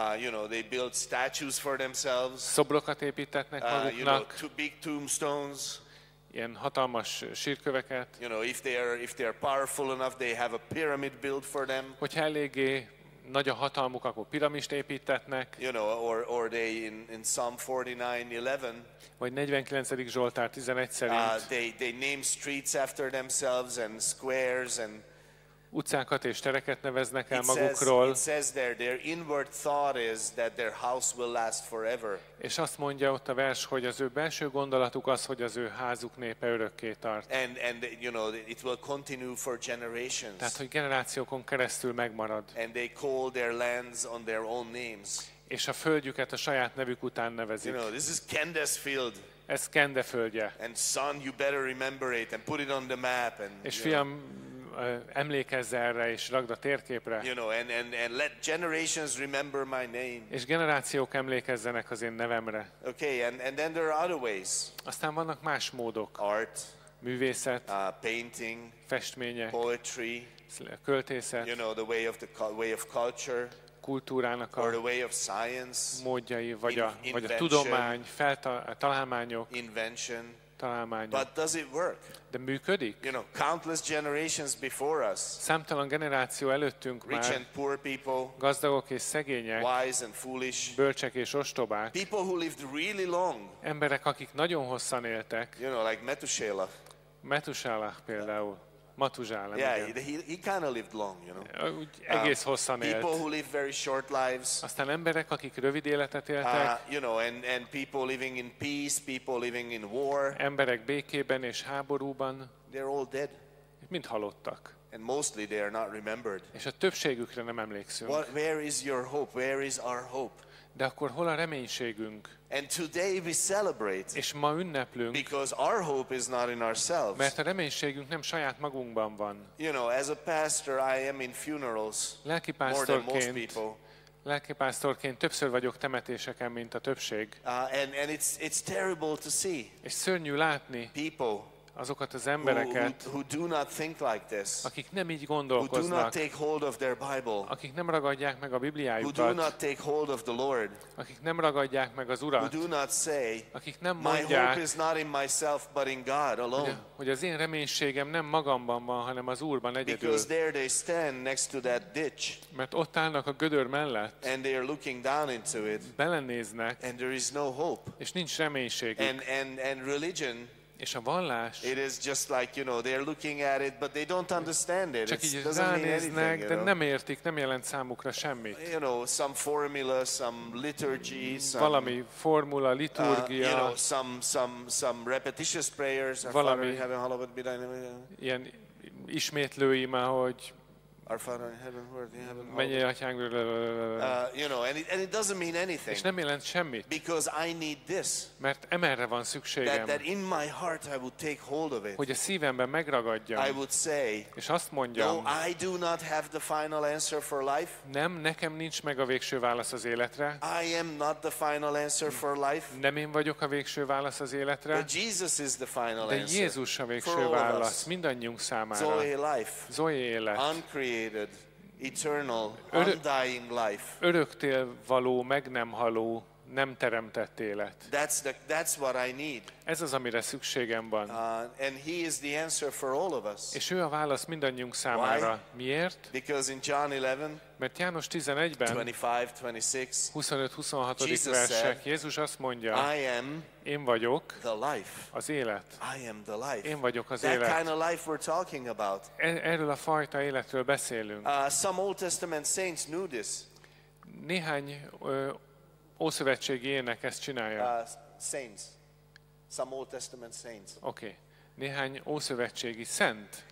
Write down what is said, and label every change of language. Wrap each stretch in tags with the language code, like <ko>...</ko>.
<en>You know, they build statues for themselves.</en> <hu>Szobrokat építetnek maguknak.</hu> <en>You know, big tombstones.</en> <hu>Ilyen hatalmas sírköveket.</hu> <en>You know, if they are powerful enough, they have a pyramid built for them.</en> <hu>Hogyha eléggé nagy a hatalmuk, akkor piramist építetnek.</hu> <en>You know, or they in Psalm 49:11.</en> <hu>Vagy 49. Zsoltár 11 szerint.</hu> <en>They name streets after themselves and squares and</en> <hu>utcákat és tereket neveznek el magukról.</hu> <en>It says there, their inward thought is that their house will last forever.</en> <hu>És azt mondja ott a vers, hogy az ő belső gondolatuk az, hogy az ő házuk népe örökké tart.</hu> <en>And you know, it will continue for generations.</en> <hu>Tehát, hogy generációkon keresztül megmarad.</hu> <en>And they call their lands on their own names.</en> <hu>És a földjüket a saját nevük után nevezik.</hu> <en>You know, this is Kendes Field.</en> <hu>Ez Kende földje.</hu> <en>And son, you better remember it and put it on the map. And,</en> <hu>és fiam, emlékezz erre és rakd a térképre.</hu> <en>You know, and let generations remember my name.</en> <hu>És generációk emlékezzenek az én nevemre.</hu> <en>Okay, and then there are other ways.</en> <hu>Aztán vannak más módok.</hu> <en>Art,</en> <hu>művészet,</hu> <en>painting,</en> <hu>festmények,</hu> <en>poetry,</en> <hu>költészet.</hu> <en>You know, the way of the way of culture,</en> <hu>kultúrának a</hu> <en>or the way of science,</en> <hu>módjai vagy a tudomány, találmányok,</hu> <en>invention,</en> <hu>találmánya.</hu> <en>But does it work?</en> <hu>De működik?</hu> <en>You know, countless generations before us.</en> <hu>Számtalan generáció előttünk már.</hu> <en>Rich and poor people.</en> <hu>Gazdagok és szegények.</hu> <en>Wise and foolish.</en> <hu>Bölcsek és ostobák.</hu> <en>People who lived really long.</en> <hu>Emberek, akik nagyon hosszan éltek.</hu> <en>You know, like Methuselah.</en> <hu>Methuselah például. Matuzsálem, yeah, igen.</hu> <en>He kind of lived long, you know.</en> <hu>Egész hosszan élt.</hu> <en>People who live very short lives.</en> <hu>Aztán emberek, akik rövid életet éltek.</hu> <en>You know, and people living in peace, people living in war.</en> <hu>Emberek békében és háborúban.</hu> <en>They're all dead.</en> <hu>Mind halottak.</hu> <en>And mostly they are not remembered.</en> <hu>És a többségükre nem emlékszünk.</hu> <en>Where is your hope? Where is our hope?</en> <hu>De akkor hol a reménységünk?</hu> <en>And today we celebrate.</en> <hu>És ma ünneplünk.</hu> <en>Because our hope is not in ourselves.</en> <hu>Mert a reménységünk nem saját magunkban van.</hu> <en>You know, as a pastor, I am in funerals.</en> <hu>Lelkipásztorként. Lelkipásztorként többször vagyok temetéseken, mint a többség.</hu> <en>And it's terrible to see.</en> <hu>És szörnyű látni.</hu> <en>People.</en> <hu>Azokat az embereket,</hu> <en>who do not think like this,</en> <hu>akik nem így gondolkoznak,</hu> <en>who do not take hold of their Bible,</en> <hu>akik nem ragadják meg a Bibliájukat,</hu> <en>who do not take hold of the Lord,</en> <hu>akik nem ragadják meg az Urat,</hu> <en>who do not say,</en> <hu>akik nem mondják,</hu> <en>my hope is not in myself, but in God alone,</en> <hu>hogy az én reménységem nem magamban van, hanem az Úrban egyedül.</hu> <en>Because there they stand next to that ditch,</en> <hu>mert ott állnak a gödör mellett,</hu> <en>and they are looking down into it,</en> <hu>belenéznek,</hu> <en>and there is no hope,</en> <hu>és nincs reménységük.</hu> <en>And religion,</en> <hu>és a vallás,</hu> <en>it is just like, you know, they're looking at it, but they don't understand it.</en> <hu>Csak így ránéznek, de nem értik, nem jelent számukra semmit.</hu> <en>You know, some formula, some liturgy, some,</en> <hu>valami formula, liturgia,</hu> <en>you know, some repetitious prayers,</en> <hu>valami</hu> <en>heaven, hallowed be thy name,</en> <hu>ilyen ismétlő ima, hogy</hu> <en>our Father in heaven, who art in heaven, hallowed.</en> <hu>Atyánk,</hu> <en>you know, and it doesn't mean anything.</en> <hu>És nem jelent semmit.</hu> <en>Because I need this.</en> <hu>Mert emerre van szükségem.</hu> <en>That in my heart I would take hold of it.</en> <hu>Hogy a szívemben megragadjam.</hu> <en>I would say.</en> <hu>És azt mondjam.</hu> <en>No, I do not have the final answer for life.</en> <hu>Nem, nekem nincs meg a végső válasz az életre.</hu> <en>I am not the final answer for life.</en> <hu>Nem én vagyok a végső válasz az életre.</hu> <en>But Jesus is the final answer.</en> <hu>De Jézus a végső válasz mindannyiunk számára.</hu> <en>Zoe life.</en> <hu>Zoe élet.</hu> <en>Created, eternal, undying life.</en> <hu>Öröktél való, meg nem haló, nem teremtett élet.</hu> <en>That's what I need.</en> <hu>Ez az, amire szükségem van.</hu> <en>And he is the answer for all of us.</en> <hu>És ő a válasz mindannyiunk számára.</hu> <en>Why?</en> <hu>Miért?</hu> <en>Because in John 11,</en> <hu>mert János 11-ben, 25-26. versek, Jézus azt mondja,</hu> <en>I am,</en> <hu>én vagyok</hu> <en>the life.</en> <hu>Az élet.</hu> <en>I am the life.</en> <hu>Én vagyok az</hu> <en>that</en> <hu>élet.</hu> <en>Kind of life we're talking about.</en> <hu>Erről a fajta életről beszélünk.</hu> <en>Some Old Testament saints knew this.</en> <hu>Néhány ószövetségi ének ezt csinálja.</hu> <en>Saints. Some Old Testament saints. Okay.</en> <hu>Néhány ószövetségi szent.</hu>